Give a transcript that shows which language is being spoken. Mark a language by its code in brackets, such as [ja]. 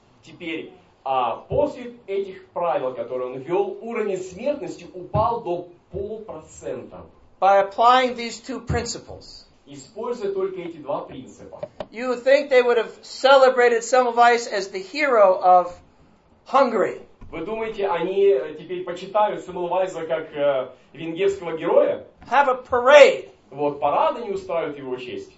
[ru] Теперь, после этих правил, которые он ввел, уровень смертности упал до 0.5%. [en] By applying these two principles. [ru] Используя только эти два принципа. [en] You think they would have celebrated Semmelweis as the hero of Hungary? [ru] Вы думаете, они теперь почитают Семмельвайза как венгерского героя? [en] Have a parade. [ru] Вот, парады не устраивают его честь.